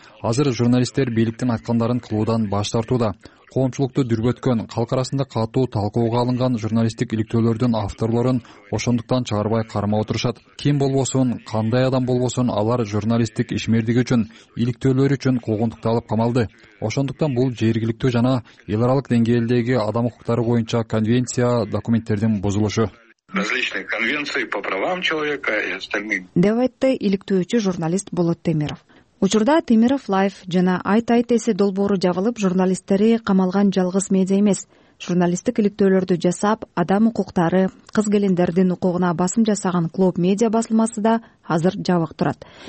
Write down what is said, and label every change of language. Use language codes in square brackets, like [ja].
[ky] Азыр журналисттер бийликтин айткандарын кылуудан баш тартууда. Коомчулукту дүрбөткөн, калк арасында катуу талкууга алынган журналисттик иликтөөлөрдүн авторлорун ошондуктан чыгарбай кармап отурушат. Ким болбосун, кандай адам болбосун, алар журналисттик ишмердиги үчүн, иликтөөлөр үчүн куугунтукталып камалды. Ошондуктан бул жергиликтүү жана эл аралык деңгээлдеги адам укуктары боюнча конвенция документтердин бузулушу. [ru] Различные конвенции по правам человека и остальным. [ky] Деп айтты иликтөөчү журналист Болот Темиров. Учурда Темиров Лайф жана Айт-Айтесе долбоору жабылып, журналисттери камалган жалгыз медиа эмес. Журналисттик иликтөөлөрдү жасап, адам укуктары, кыз келиндердин укугуна басым жасаган клуб медиа басылмасы да азыр жабык турат.